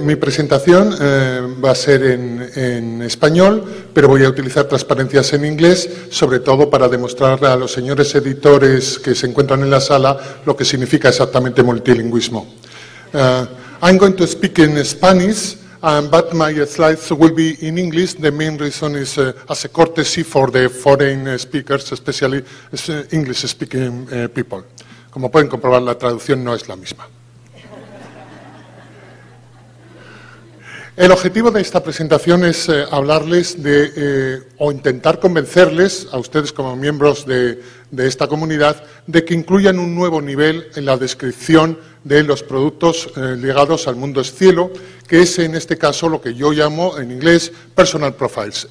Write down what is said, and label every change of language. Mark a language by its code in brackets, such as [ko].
[es] mi presentación va a ser en español, pero voy a utilizar transparencias en inglés, sobre todo para demostrar a los señores editores que se encuentran en la sala lo que significa exactamente multilingüismo. [en] I'm going to speak in Spanish, but my slides will be in English. The main reason is as a courtesy for the foreign speakers, especially English speaking people. [es] Como pueden comprobar, la traducción no es la misma. El objetivo de esta presentación es hablarles de, o intentar convencerles a ustedes como miembros de esta comunidad, de que incluyan un nuevo nivel en la descripción de los productos ligados al mundo cielo, que es en este caso lo que yo llamo en inglés personal profiles.